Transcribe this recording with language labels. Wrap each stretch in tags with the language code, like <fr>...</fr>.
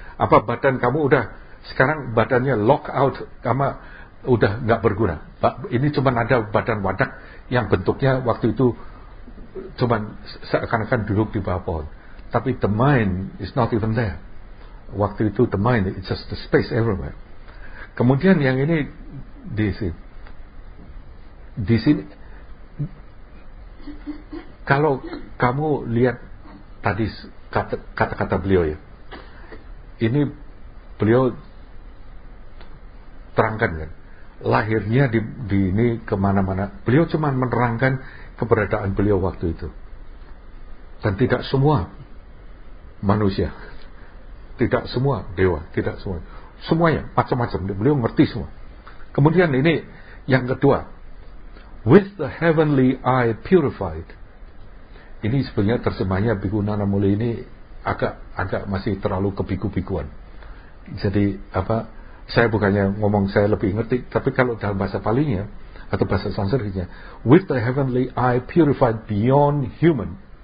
<id>Apa badan kamu udah sekarang badannya lock out, kamu udah enggak berguna. Ini cuma ada badan wadak yang bentuknya waktu itu cuma seakan-akan duduk di bawah pohon.</id> <en>Tapi the mind is not even there.</en> <id>Waktu itu</id> <en>the mind, it's just the space everywhere.</en> <id>Kemudian yang ini di sini kalau kamu lihat tadi kata-kata beliau ya, ini beliau terangkan kan lahirnya di ini kemana-mana. Beliau cuma menerangkan keberadaan beliau waktu itu, dan tidak semua manusia, tidak semua dewa, tidak semua. Semuanya macam-macam, beliau ngerti semua. Kemudian ini yang kedua,</id> <en>with the heavenly eye purified.</en> <id>Ini sebenarnya terjemahnya Bhikkhu Naramuli ini agak masih terlalu kebiku-bikuan. Jadi apa, saya bukannya ngomong saya lebih ngerti, tapi kalau dalam bahasa Palinya atau bahasa Sanskritnya,</id> <en>with the heavenly eye purified beyond human.</en>